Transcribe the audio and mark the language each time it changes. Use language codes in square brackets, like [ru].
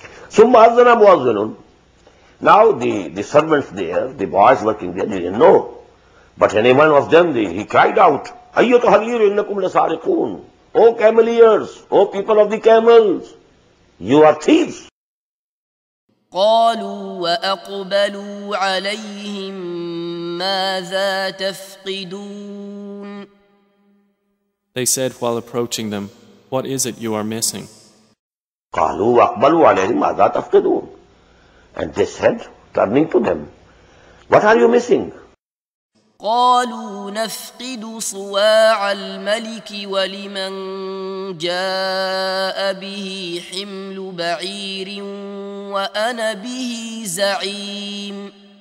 [ar] Summa azana muazzinun. [en] Now the servants there, the boys working there, they didn't know. But anyone of them, he cried out, [ar] "Ayyatu halir innakum lasariqun. [en] O cameliers, O people of the camels, you are thieves." [ar] قالوا وأقبلوا عليهم ماذا تفقدون. [en] They said while approaching them, what is it you are missing? [ar] قالوا وأقبلوا عليهم ماذا تفقدون. [en] And they said, turning to them, what are you missing? [ar] قالوا نفقد صواع الملك ولمن جاء به حمل بعير وأنا به زعيم.